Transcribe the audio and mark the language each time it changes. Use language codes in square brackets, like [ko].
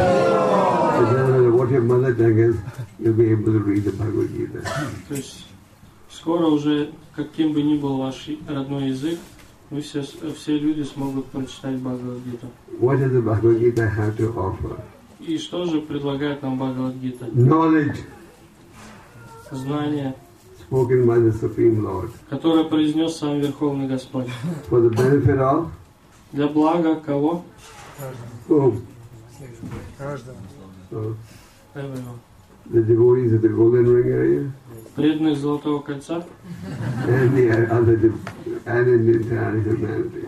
[en] It doesn't matter what your mother tongue is, you'll be able to read the Bhagavad Gita. [ru] То есть скоро уже, каким бы ни был ваш родной язык, вы все люди смогут прочитать Bhagavad Gita. [en] What does the Bhagavad Gita have to offer? [ru] И что же предлагает нам Bhagavad Gita? [en] Knowledge. [ru] Знание, [en] spoken by the Supreme Lord, [ru] которое произнес сам Верховный Господь. [en] For the benefit of? [ru] Для блага кого? [en] The devotees of the Golden Ring area. [ru] Преданных Золотого Кольца. [en] And the other, and in the entire humanity.